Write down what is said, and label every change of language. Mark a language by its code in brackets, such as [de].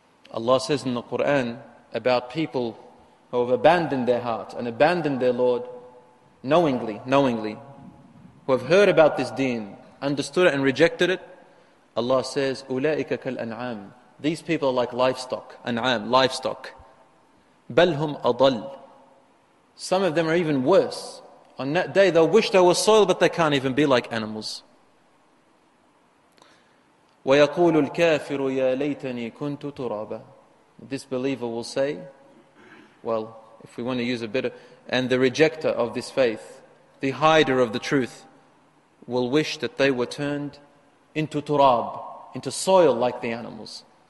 [en] Allah says in the Quran about people who have abandoned their heart and abandoned their Lord knowingly, who have heard about this deen, understood it and rejected it. Allah says, [ar] أُولَٰئِكَ كَالْأَنْعَامِ. [en] These people are like livestock. [ar] An'am, livestock. بَلْهُمْ أَضَلْ. [en] Some of them are even worse. On that day they'll wish they were soil, but they can't even be like animals. [ar] وَيَقُولُ الْكَافِرُ يَا لَيْتَنِي كُنْتُ تُرَابًا. [en] This believer will say, well, if we want to use a bit of, and the rejecter of this faith, the hider of the truth, will wish that they were turned into turab, into soil like the animals.